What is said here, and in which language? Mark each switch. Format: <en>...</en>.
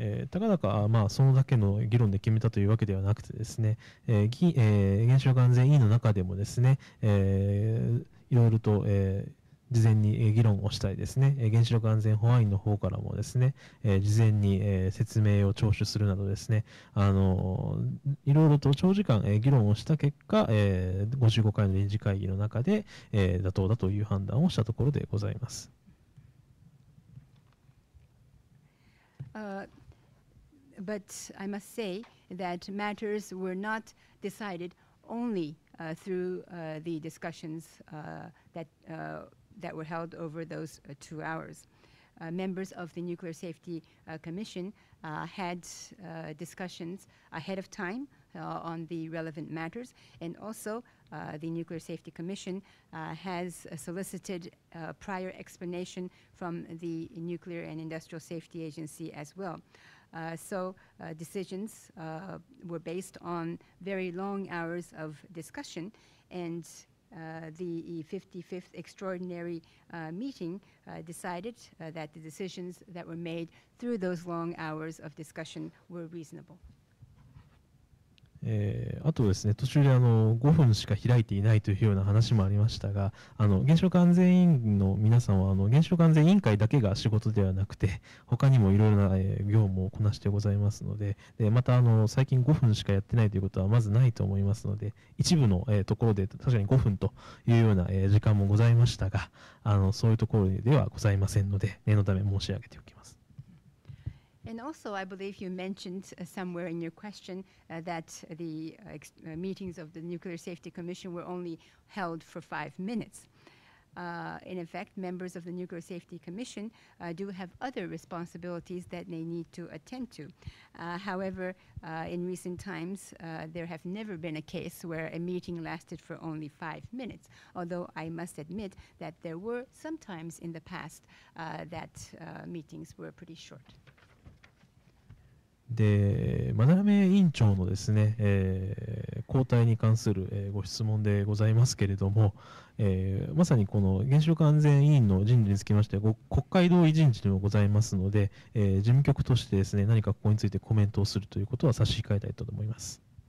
<ja>たかだか、そのだけの議論で決めたというわけではなくてですね、原子力安全委員の中でもですね、いろいろと、事前に議論をしたいですね。原子力安全保安院の方からもですね、事前に説明を聴取するなどですね、いろいろと長時間議論をした結果、55回の臨時会議の中で妥当だという判断をしたところでございます。</ja> <en>But I must say that matters were not decided only through the discussions that were held over those 2 hours. Members of the Nuclear Safety Commission had discussions ahead of time on the relevant matters, and also the Nuclear Safety Commission has solicited prior explanation from the Nuclear and Industrial Safety Agency as well. So decisions were based on very long hours of discussion, and the 55th extraordinary meeting decided that the decisions that were made through those long hours of discussion were reasonable.</en> <ja>あとですね、途中で5分しか開いていないというような話もありましたが、原子力安全委員の皆さんは原子力安全委員会だけが仕事ではなくて、他にもいろいろな業務をこなしてございますの でまた最近5分しかやってないということはまずないと思いますので、一部のところで確かに5分というような時間もございましたが、そういうところではございませんので、念のため申し上げておきます。</ja> <en>And also, I believe you mentioned somewhere in your question that the meetings of the Nuclear Safety Commission were only held for 5 minutes. In effect, members of the Nuclear Safety Commission do have other responsibilities that they need to attend to. However, in recent times, there have never been a case where a meeting lasted for only 5 minutes, although I must admit that there were some times in the past that meetings were pretty short.</en> <ja>で、真鍋委員長のですね、交代に関する、ご質問でございますけれども、まさにこの原子力安全委員の人事につきましては国会同意人事でもございますので、事務局としてですね、何かここについてコメントをするということは差し控えたいと思います。</ja>